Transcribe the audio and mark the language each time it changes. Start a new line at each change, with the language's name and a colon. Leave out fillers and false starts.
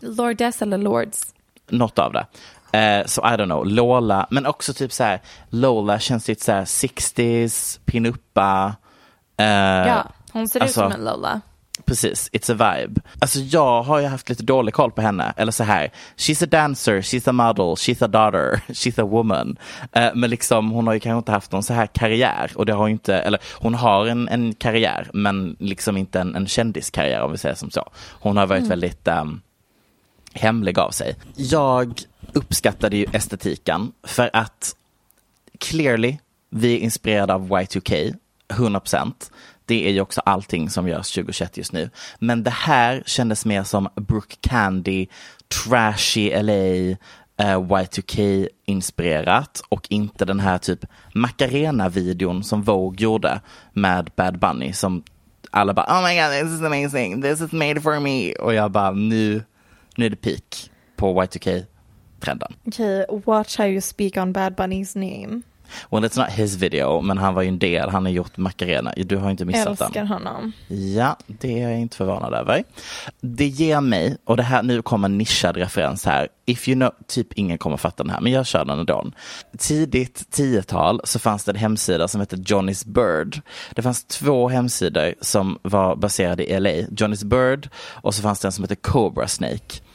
Swedish: Lordess eller Lords. Något av det. Så
English: I don't know.
Swedish: Lola. Men också typ så här, Lola känns lite så här 60s, pinuppa. Ja, hon ser alltså, ut som en Lola.
English: Precis, it's a vibe.
Swedish: Alltså jag har ju haft lite dålig koll på henne. Eller så här,
English: she's a dancer, she's a model, she's a daughter, she's a woman.
Swedish: Men liksom, hon har ju kanske inte haft någon så här karriär. Och det har ju inte, eller hon har en karriär, men liksom inte en kändiskarriär, om vi säger som så. Hon har varit väldigt hemlig av sig. Jag uppskattade ju estetiken för att clearly, vi är inspirerade av Y2K, 100%. Det är ju också allting som görs 2021 just nu. Men det här kändes mer som Brooke Candy, trashy LA, Y2K-inspirerat. Och inte den här typ Macarena-videon som Vogue gjorde med Bad Bunny. Som alla bara,
English: oh my god, this is amazing. This is made for me.
Swedish: Och jag bara, nu är det peak på Y2K-trenden.
English: Okay, watch how you speak on Bad Bunny's name. Well, it's not his video,
Swedish: men han var ju en del. Han har gjort Macarena. Du har inte missat den. Älskar honom. Ja, det är jag inte förvånad över. Det ger mig, och det här nu kommer en nischad referens här.
English: If you know,
Swedish: typ ingen kommer fatta den här, men jag kör den ändå. Tidigt 10-tal så fanns det en hemsida som hette Johnny's Bird. Det fanns två hemsidor som var baserade i LA. Johnny's Bird, och så fanns det en som hette Cobra Snake.